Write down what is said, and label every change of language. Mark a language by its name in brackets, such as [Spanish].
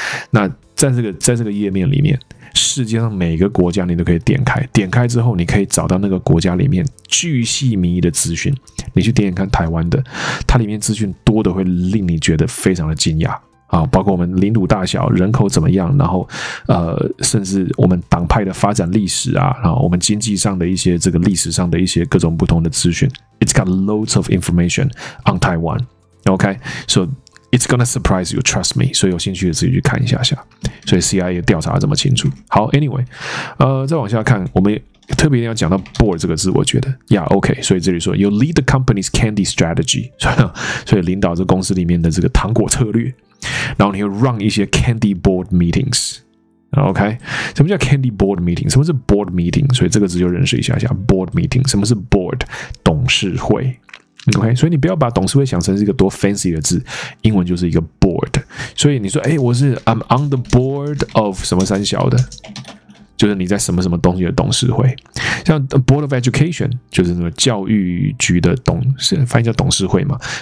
[Chinese] 那在这个页面里面，世界上每个国家你都可以点开之后，你可以找到那个国家里面巨细靡遗的资讯。你去点看台湾的，它里面资讯多的会令你觉得非常的惊讶啊，包括我们领土大小、人口怎么样，然后甚至我们党派的发展历史啊，然后我们经济上的一些这个历史上的一些各种不同的资讯。 [English] It's got loads of information on Taiwan. OK, so it's gonna surprise you, trust me. [Chinese] 所以有兴趣的自己去看一下。所以 CIA 调查这么清楚。好 ，Anyway， 再往下看，我们特别要讲到 board 这个字，我觉得 ，Yeah， OK， 所以这里说 [English] you lead the company's candy strategy， [Chinese] 所以领导这公司里面的这个糖果策略。然后你要 run 一些 candy board meetings， OK？什么叫 candy board meeting？ 什么是 board meeting？所以这个字就认识一下board meeting， 什么是 board？ 董事会， OK？所以你不要把董事会想成是一个多 fancy 的字，英文就是一个 board。所以你说，哎，我是 [English] I'm on the board of [Chinese] 什么三小的，就是你在什么什么东西的董事会，像 board of education 就是那个教育局的董事，翻译叫董事会嘛。